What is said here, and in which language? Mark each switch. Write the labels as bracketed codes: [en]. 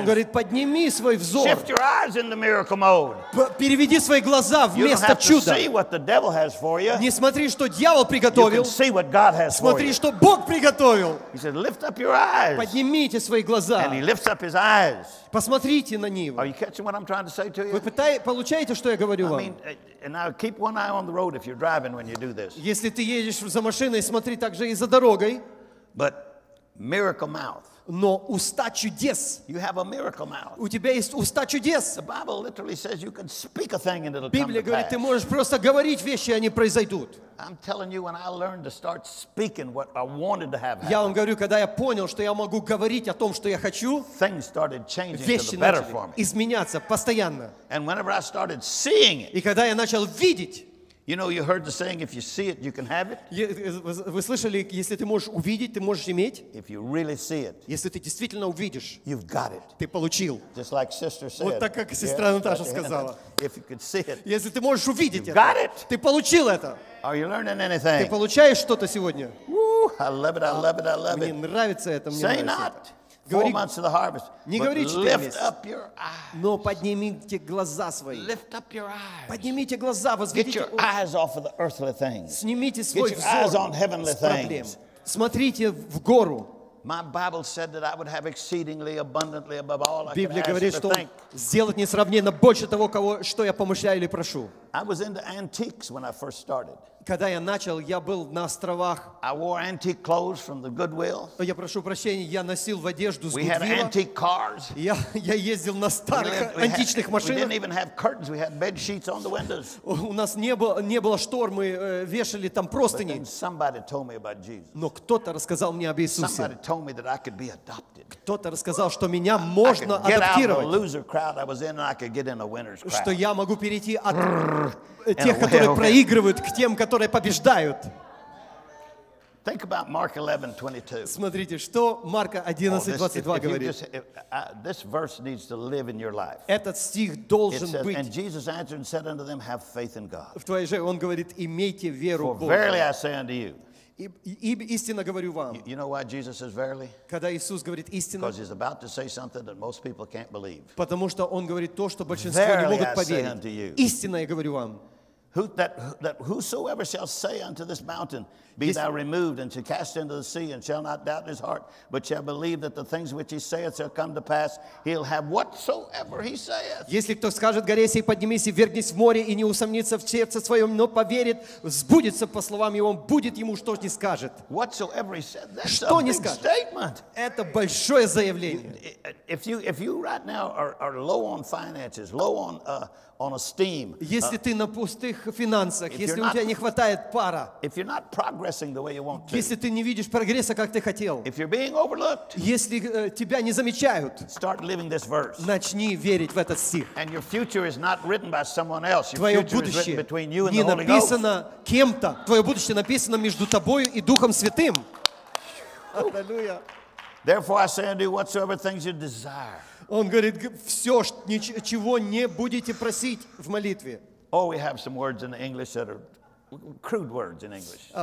[ru] Он говорит, подними свой взор. [en] Shift your eyes in the miracle mode. [ru] Переведи свои глаза в место чуда. [en] You don't have to see what the devil has for you. [ru] Не смотри, что дьявол приготовил. [en] You can see what God has for you. [ru] Смотри, что Бог приготовил. [en] He said, lift up your eyes. [ru] Поднимите свои глаза. [en] And he lifts up his eyes. [ru] Посмотрите на него. [en] Are you catching what I'm trying to say to you? [ru] Вы получаете, что я говорю вам? [en] I mean, and now keep one eye on the road if you're driving. When you do this. [ru] Если ты едешь за машиной, смотри также и за дорогой. [en] But miracle mouth. [ru] Но уста чудес. [en] You have a miracle mouth. [ru] У тебя есть уста чудес. [en] The Bible literally says you can speak a thing and it'll come to pass. [ru] Библия говорит, ты можешь просто говорить вещи, и они произойдут. [en] I'm telling you, when I learned to start speaking what I wanted to have happen. [ru] Я вам говорю, когда я понял, что я могу говорить о том, что я хочу. [en] Things started changing for the better for me. [ru] Вещи начали изменяться постоянно. [en] And whenever I started seeing it. [ru] И когда я начал видеть. [en] You know, you heard the saying, if you see it, you can have it. [ru] Вы слышали, если ты можешь увидеть, ты можешь иметь. [en] If you really see it. [ru] Если ты действительно увидишь. [en] You've got it. [ru] Ты получил. [en] Just like sister said. [ru] Вот так, как сестра Наташа сказала. [en] If you could see it. [ru] Если ты можешь увидеть это. [en] You've got it. [ru] Ты получил это. [en] Are you learning anything? [ru] Ты получаешь что-то сегодня. [en] I love it, I love it, I love it. [ru] Мне нравится это, мне нравится. [en] Say not. 4 months of the harvest. [ru] Не говори, что [en] lift up your eyes. [ru] Но поднимите глаза свои. [en] Lift up your eyes. [ru] Поднимите глаза, возведите. [en] Get your eyes off of the earthly things. [ru] Снимите свой взор. [en] Get your eyes on heavenly things. [ru] Смотрите в гору. [en] My Bible said that I would have exceedingly abundantly above all I could ask. [ru] Библия говорит, что сделать несравненно больше того, кого что я помышляю или прошу. [en] I was into antiques when I first started. [ru] Когда я начал, я был на островах. [en] I wore antique clothes from the Goodwill. [ru] Я прошу прощения, я носил в одежду с [en] Goodwill. We had antique cars. [ru] Я ездил на старых античных машинах. [en] We didn't even have curtains. We had bed sheets on the windows. [ru] У нас не было штор, мы вешали там простыни. [en] But then somebody told me about Jesus. [ru] Но кто-то рассказал мне об Иисусе. [en] Somebody told me that I could be adopted. [ru] Кто-то рассказал, что меня можно адаптировать. [en] I could get out of the loser crowd I was in, and I could get in a winner's crowd. [ru] Что я могу перейти от тех, которые проигрывают, к тем, которые побеждают. [en] Think about Mark 11, 22. [ru] Смотрите, что Марка 11:22 говорит. [en] This verse needs to live in your life. [ru] Этот стих должен [en] it says, [ru] быть. [en] And Jesus answered and said unto them, Have faith in God. [ru] В твоей же он говорит, имейте веру в Бога. [en] For verily I say unto you. [ru] Истинно говорю вам. [en] You know why Jesus says verily? [ru] Когда Иисус говорит истинно. [en] Because he's about to say something that most people can't believe. [ru] Потому что он говорит то, что большинство не могут поверить. Истинно я говорю вам. [en] That whosoever shall say unto this mountain, Be thou removed, and shall cast into the sea, and shall not doubt in his heart, but shall believe that the things which he saith shall come to pass, he'll have whatsoever he saith. [ru] Если кто скажет горе сей поднимись и вергнись в море и не усомнится в сердце своем, но поверит, сбудется по словам его, будет ему что не скажет. [en] Whatsoever he said, that's a big statement. [ru] Это большое заявление. [en] If you right now are low on finances, low on on esteem. [ru] Если ты на пустых финансах, если у тебя не хватает пара. [en] If you're not progressing the way you want to. [ru] Если ты не видишь прогресса, как ты хотел. [en] If you're being overlooked. [ru] Если тебя не замечают. [en] Start living this verse. [ru] Начни верить в этот стих. [en] And your future is not written by someone else. [ru] Твое будущее не написано кем-то. Твое будущее написано между тобою и Духом Святым. Аллилуйя. [en] Therefore I say unto you whatsoever things you desire. [ru] Он говорит, все, чего не будете просить в молитве. [en] Oh, we have some words in the English that are crude words in English.